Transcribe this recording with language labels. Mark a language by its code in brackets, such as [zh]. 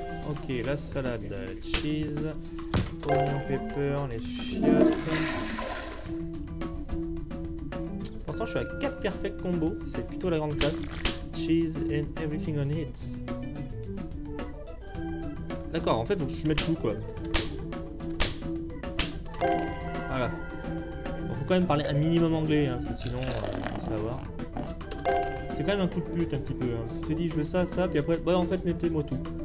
[fr] Ok, la salade, [en] cheese, onion pepper, [fr] les chiottes. Pour l'instant, je suis à 4 perfect combos, c'est plutôt la grande classe. [en] Cheese and everything on it. [fr] D'accord, en fait, faut que je mette tout, quoi. Voilà. Bon, faut quand même parler un minimum anglais, hein, parce que sinon on se va voir. C'est quand même un coup de pute un petit peu, hein, parce que tu te dis je veux ça, ça, puis après, bah en fait mettez-moi tout.